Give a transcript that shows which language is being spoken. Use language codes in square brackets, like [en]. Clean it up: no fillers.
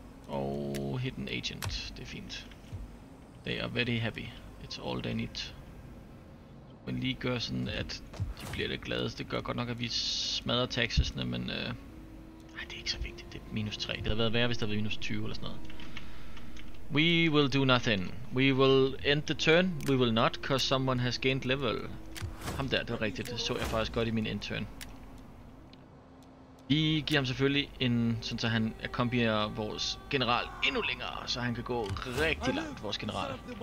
[da] Og hidden agent, det er fint. [en] They are very happy. It's all they need. [da] Men lige gør sådan, at de bliver det gladeste. Det gør godt nok, at vi smadrer taxesne, men nej, det er ikke så vigtigt. Det er minus 3. Det havde været værre, hvis der var minus 20 eller sådan noget. [en] We will do nothing. We will end the turn. We will not, cause someone has gained level. [da] Ham der, det var rigtigt. Det så jeg faktisk godt i min end turn. Vi giver ham selvfølgelig en, sådan så han accompanier vores general endnu længere, så han kan gå rigtig langt, vores general.